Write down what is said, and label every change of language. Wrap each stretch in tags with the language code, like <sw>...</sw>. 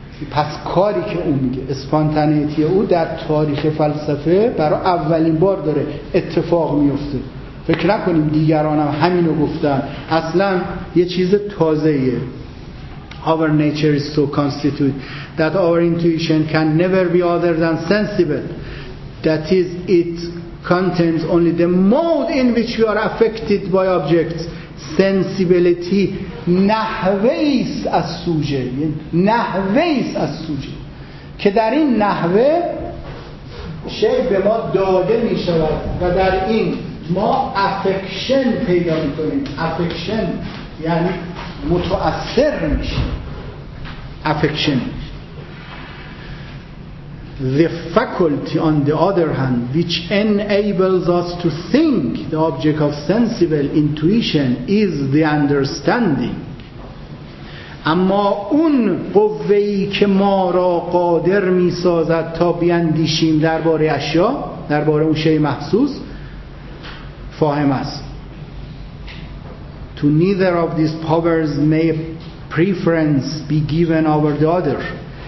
<fa>پس کاری که اون میگه اسپانتانیتی او در تاریخ فلسفه برای اولین بار داره اتفاق میفته. فکر نکنیم دیگران هم همینو گفتن، اصلا یه چیز تازه ایه.</fa> <en>Our nature is so constituted that our intuition can never be other than sensible. That is, it contains only the mode in which we are affected by objects.</en> <fa>سنسیبلیتی نحویست از سوژه، نحویست از سوژه که در این نحوه شی به ما داده می شود و در این ما افکشن پیدا می کنیم. افکشن یعنی متأثر می شیم.</fa> <en>Affection the faculty on the other hand which enables us to think the object of sensible intuition is the understanding.</en> <fa>اما اون قوه‌ای که ما را قادر می‌سازد تا بیندیشیم درباره اشیا، درباره اون شی محسوس، فاهم است.</fa> <en>To neither of these powers may preference be given over the other.</en>